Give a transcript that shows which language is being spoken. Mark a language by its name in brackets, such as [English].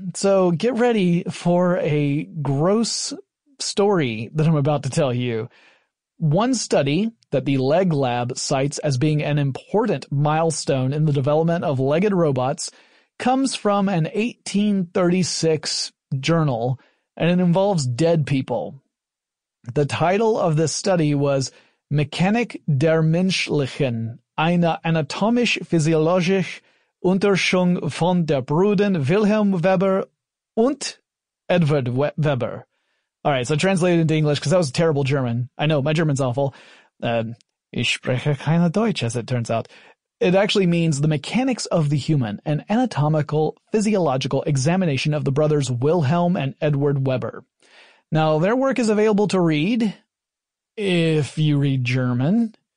[English] So get ready for a gross story that I'm about to tell you. One study that the Leg Lab cites as being an important milestone in the development of legged robots comes from an 1836 journal, and it involves dead people. The title of this study was [German] Mechanik der menschlichen, eine anatomisch-physiologische Untersuchung von der Brüder Wilhelm Weber und Edward Weber. [English] All right, so translated into English, because that was terrible German. I know, my German's awful. [German] Ich spreche kein Deutsch, [English] as it turns out. It actually means The Mechanics of the Human, an Anatomical Physiological Examination of the Brothers Wilhelm and Edward Weber. Now, their work is available to read, if you read German.